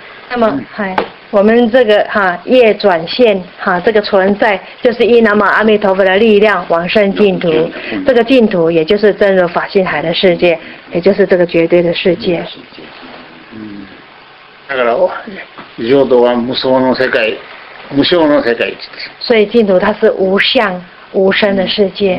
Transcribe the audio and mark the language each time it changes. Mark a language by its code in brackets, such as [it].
[zh] 那么，我们这个哈业转现哈这个存在，就是依南无阿弥陀佛的力量往生净土，这个净土也就是真如法性海的世界，也就是这个绝对的世界。 [ja] だから浄土は無相の世界、無相の世界。 [zh] 所以净土它是无相无生的世界。